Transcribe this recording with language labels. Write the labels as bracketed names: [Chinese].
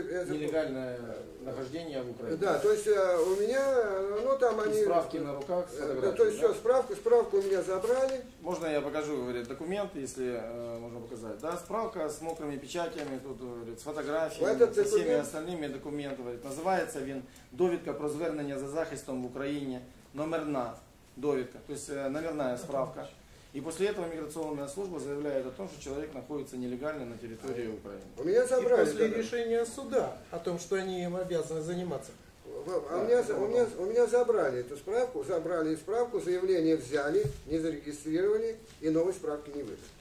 [Russian] нелегальное нахождение в Украине. Да, то есть у меня, ну там и они. Справки на руках. Да, то есть да? Все, справку у меня забрали. Можно я покажу, говорит, документ, если можно показать. Да, справка с мокрыми печатями, тут говорит, с фотографиями, со документ? Всеми остальными документами. Говорит, называется [Ukrainian] він довідка про звернення за захистом в Україні. Номерна довідка. [Russian] То есть номерная справка. И после этого миграционная служба заявляет о том, что человек находится нелегально на территории Украины. У меня забрали. И после решения суда о том, что они им обязаны заниматься. У меня забрали эту справку, заявление взяли, не зарегистрировали и новой справки не выдали.